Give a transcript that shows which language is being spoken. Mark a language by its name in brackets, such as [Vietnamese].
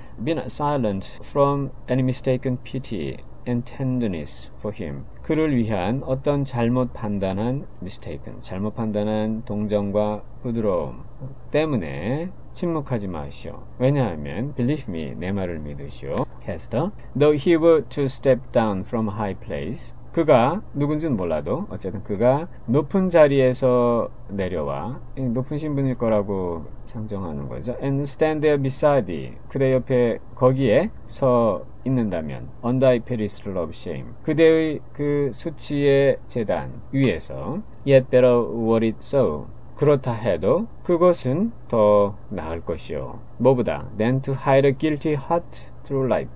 [English] been silent from any mistaken pity and tenderness for him. [Korean] 그를 위한 어떤 잘못 판단한 mistaken, 잘못 판단한 동정과 부드러움 때문에 침묵하지 마시오. 왜냐하면, [English] believe me, [Korean] 내 말을 믿으시오. [English] Hester, though he were to step down from high place, [Korean] 그가 누군지는 몰라도 어쨌든 그가 높은 자리에서 내려와 높은 신분일 거라고 상정하는 거죠. [English] And stand there beside thee. [Korean] 그대 옆에 거기에 서 있는다면 [English] On thy pedestal of shame. [Korean] 그대의 그 수치의 제단 위에서 [English] Yet better were it so. [Korean] 그렇다 해도 그것은 더 나을 것이요. 뭐보다 [English] Than to hide a guilty heart through life.